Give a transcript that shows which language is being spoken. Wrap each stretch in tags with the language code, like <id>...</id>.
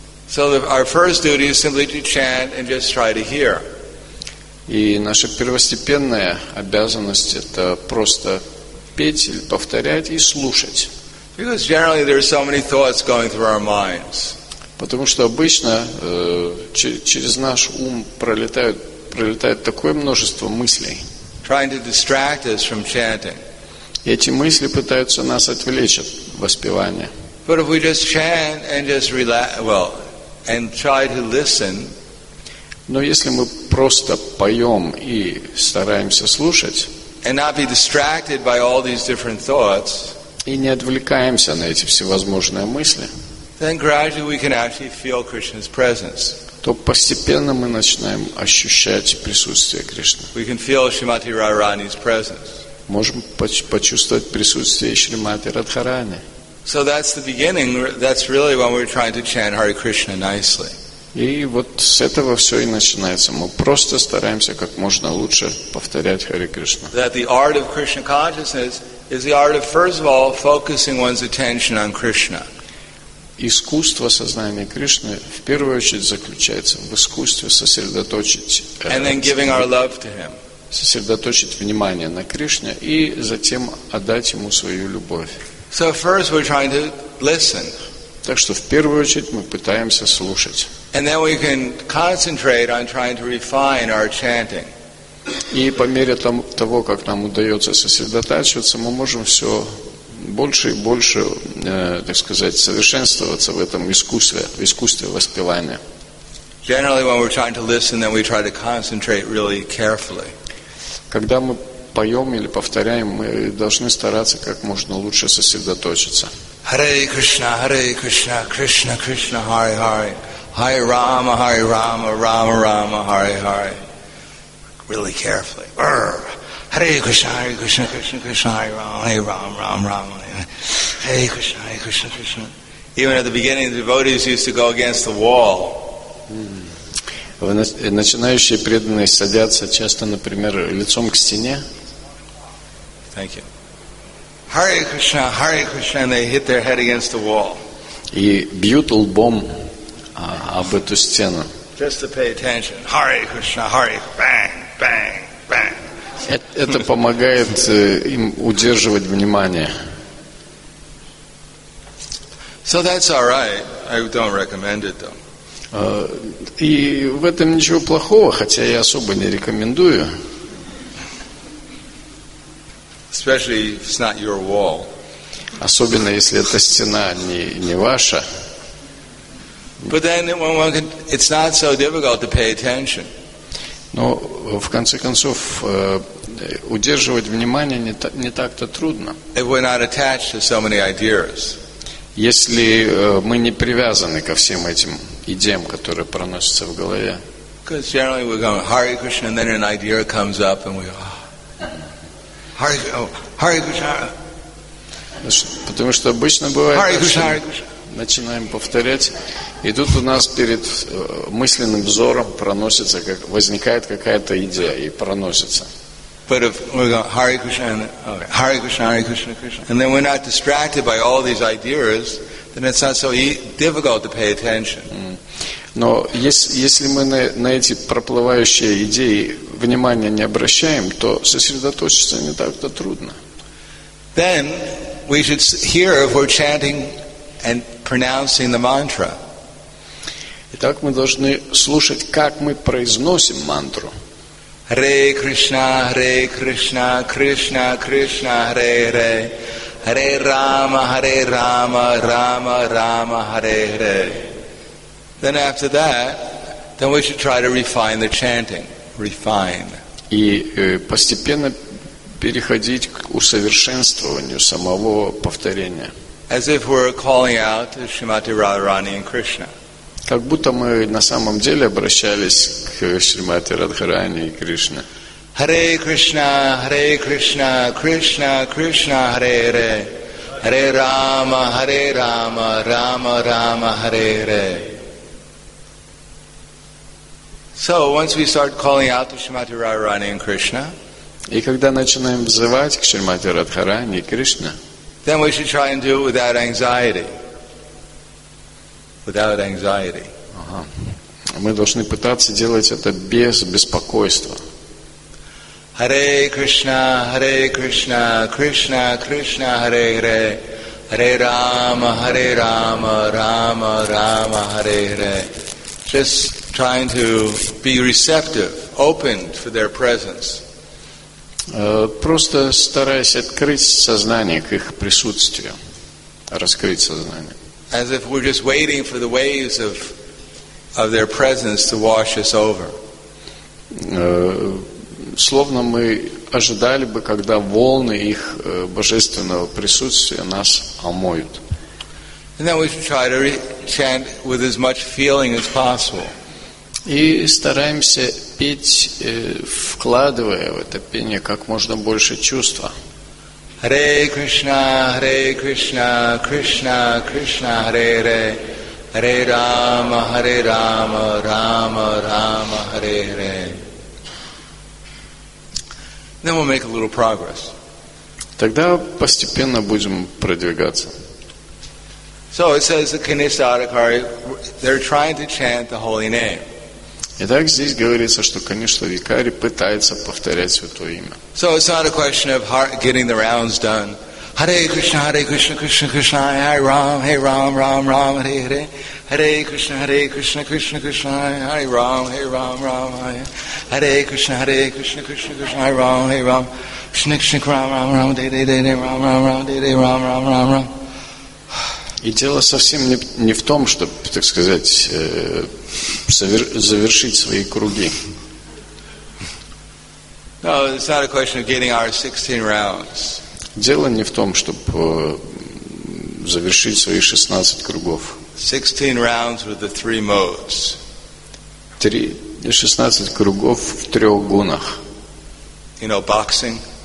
<en>So our first duty is simply to chant and just try to hear.</en> <ru>И наша первостепенная обязанность это просто петь или повторять и слушать.</ru> <en>Because generally there are so many thoughts going through our minds.</en> <ru>Потому что обычно через наш ум пролетает такое множество мыслей.</ru> <en>Trying to distract us from chanting.</en> <ru>Эти мысли пытаются нас отвлечь от воспевания.</ru> <en>But if we just chant and just relax, well, and try to listen.</en> <ru>Но если мы просто поем и стараемся слушать.</ru> <en>And not be distracted by all these different thoughts.</en> <ru>И не отвлекаемся на эти всевозможные мысли,</ru> <en>then gradually we can actually feel Krishna's presence.</en> <ru>То постепенно мы начинаем ощущать присутствие Кришны.</ru> <en>We can feel Shrimati Radharani's presence.</en> <ru>Можем почувствовать присутствие Шримати Радхарани.</ru> <en>So that's the beginning, that's really when we're trying to chant Hare Krishna nicely.</en> <ru>И вот с этого все и начинается. Мы просто стараемся как можно лучше повторять Харе Кришна.</ru> <en>That the art of Krishna consciousness is the art of, first of all, focusing one's attention on Krishna.</en> <ru>Искусство сознания Кришны в первую очередь заключается в искусстве сосредоточить</ru> <en>and then giving our love to him.</en> <ru>Сосредоточить внимание на Кришне и затем отдать ему свою любовь.</ru> <en>So first we're trying to listen.</en> <ru>Так что в первую очередь мы пытаемся слушать.</ru> <en>And then we can concentrate on trying to refine our chanting.</en> <ru>И по мере того, как нам удается сосредотачиваться, мы можем все больше и больше, так сказать, совершенствоваться в этом искусстве, в искусстве воспевания.</ru> <en>Generally, when we're trying to listen, then we try to concentrate really carefully.</en> <ru>Когда мы поем или повторяем, мы должны стараться как можно лучше сосредоточиться.</ru> <sa>Hare Krishna, Krishna Krishna, Hare Hare. Hare Rama, Rama Rama, Hare Hare.</sa> <en>Really carefully.</en> <sa>Hare Krishna, Krishna Krishna, Hare Rama, Hare Rama, Rama Rama. Hare Krishna, Krishna Krishna.</sa> <en>Even at the beginning, the devotees used to go against the wall.</en> <ru>Начинающие преданные садятся часто, например, лицом к стене.</ru> <en>Thank you. Hare Krishna, and they hit their head against the wall.</en> <ru>И бьют лбом об эту стену.</ru> <en>Just to pay attention. Hare Krishna, Hare bang, bang, bang.</en> <ru>Это помогает им удерживать внимание.</ru> <en>So that's all right. I don't recommend it though.</en> <ru>И в этом ничего плохого, хотя я особо не рекомендую.</ru> <en>Especially if it's not your wall.</en> <ru>Особенно если эта стена не ваша.</ru> <en>But then when one can, it's not so difficult to pay attention.</en> <ru>Но в конце концов удерживать внимание не так-то трудно.</ru> <en>If we're not attached to so many ideas.</en> <ru>Если мы не привязаны ко всем этим идеям, которые проносятся в голове.</ru> <en>Because generally we're going Hare Krishna, and then an idea comes up, and we go Hare Krishna.</en> <ru>Потому что обычно бывает,</ru> <sa>Hare Krishna, Hare Krishna.</sa> <ru>Начинаем повторять, и тут у нас перед мысленным взором проносится, как возникает какая-то идея и проносится.</ru> <en>But if we go Hare Krishna, Hare Krishna, Hare Krishna, Krishna, and then we're not distracted by all these ideas, then it's not so difficult to pay attention.</en> <ru>Но если мы на эти проплывающие идеи внимания не обращаем, то сосредоточиться не так-то трудно.</ru> <en>Then we should hear if we're chanting and pronouncing the mantra.</en> <ru>Итак, мы должны слушать, как мы произносим мантру.</ru> <sa>Hare Krishna, Krishna Krishna, Hare Hare. Hare Rama, Rama Rama, Hare Hare.</sa> <en>Then after that, then we should try to refine the chanting. Refine.</en> <ru>И постепенно переходить к усовершенствованию самого повторения.</ru> <en>As if we're calling out to Shrimati Radharani and Krishna.</en> <ru>Как будто мы на самом деле обращались к Шримати Радхарани и Кришне.</ru> <sa>Hare Krishna, Hare Krishna, Krishna Krishna, Hare Hare. Hare Rama, Rama Rama, Hare Hare.</sa> <en>So, once we start calling out to Shrimati Radharani and Krishna,</en> <ru>и когда начинаем взывать к Шримати Радхарани и Кришне,</ru> <en>then we should try and do it without anxiety. Without anxiety.</en> <ru>Мы должны пытаться делать это без беспокойства.</ru> <sa>Hare Krishna, Hare Krishna, Krishna Krishna, Hare Hare. Hare Rama, Rama Rama, Hare Hare.</sa> <en>Just trying to be receptive, open for their presence.</en> <ru>Просто стараясь открыть сознание к их присутствию, раскрыть сознание.</ru> <en>As if we're just waiting for the waves of their presence to wash us over.</en> <ru>Словно мы ожидали бы, когда волны их божественного присутствия нас омоют.</ru> <en>And then we should try to chant with as much feeling as possible.</en> <ru>И стараемся петь, вкладывая в это пение как можно больше чувства.</ru> <sa>Hare Krishna, Krishna, Krishna, Hare Hare. Hare Rama, Rama, Rama, Hare Hare.</sa> <en>Then we'll make a little progress.</en> <ru>Тогда постепенно будем продвигаться.</ru> <en>So it says the Kanishtha Adhikari, they're trying to chant the holy name.</en> <ru>Итак, здесь говорится, что Kanishtha Adhikari пытается повторять святое имя.</ru> <en>So it's not a question of getting the rounds done.</en> <sa>Hare Krishna, Krishna Krishna, Hare Ram, Hare Ram, Ram Ram, Hare Hare. Hare Krishna, Krishna Krishna, Hare Ram, Hare Ram, Ram Ram, Hare Krishna, Hare Krishna, Krishna Krishna, Hare Ram, Hare Ram, Krishna Krishna, Ram Ram Ram, Day Day Day Day, Ram Ram Ram, Day Day, Ram Ram Ram Ram.</sa> <ru>И дело совсем не в том, чтобы, так сказать, завершить свои круги.</ru> <en>No, it's not a question of getting our 16 rounds.</en> <ru>Дело не в том, чтобы завершить свои 16 кругов.</ru> <en>16 rounds with the three modes.</en> <ru>16 кругов в трех гунах.</ru> <en>You know, boxing.</en>